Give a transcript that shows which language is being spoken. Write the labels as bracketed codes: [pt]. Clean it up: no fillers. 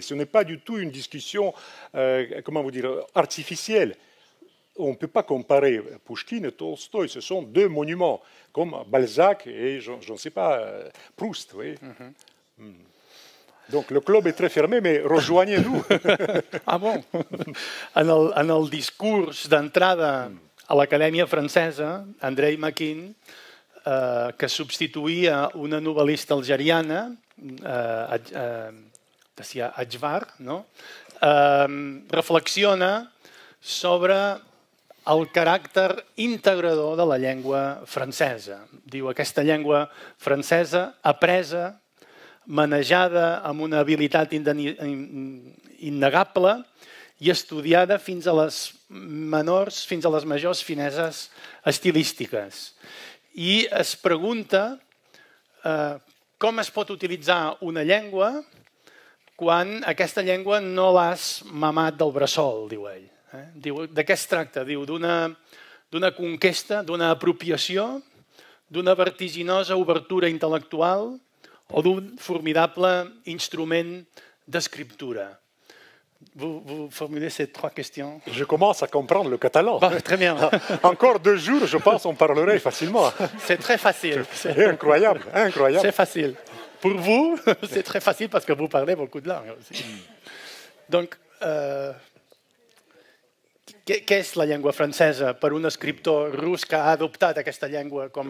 [fr] Ce n'est pas du tout une discussion, comment vous dire, artificielle. On ne peut pas comparer Pushkin et Tolstoï. Ce sont deux monuments, comme Balzac et, je ne sais pas, Proust. Oui. Mm-hmm. Mm. Donc, le club est très fermé, mais rejoignez-nous. Ah bon? [ca] En el discurs d'entrada a l'Acadèmia Francesa, Andrei Makin, que substituïa una novel·lista algeriana, Adjvar, no? Reflexiona sobre el caràcter integrador de la llengua francesa. Diu, aquesta llengua francesa apresa, manejada amb una habilitat innegable i estudiada fins a les majors fineses estilístiques. I es pregunta com es pot utilitzar una llengua quan aquesta llengua no l'has mamat del bressol, diu ell. Diu, de què es tracta? Diu, d'una conquesta, d'una apropiació, d'una vertiginosa obertura intel·lectual o d'un formidable instrument d'escriptura. [fr] Vous formulez ces trois questions. Je commence à comprendre le catalan. Bah, très bien. Encore deux jours, je pense, on parlerait facilement. C'est très facile. C'est incroyable, incroyable. C'est facile. Pour vous, c'est très facile parce que vous parlez beaucoup de langues aussi. Donc, qu'est-ce la langue française pour un écrivain russe qui a adopté cette langue comme...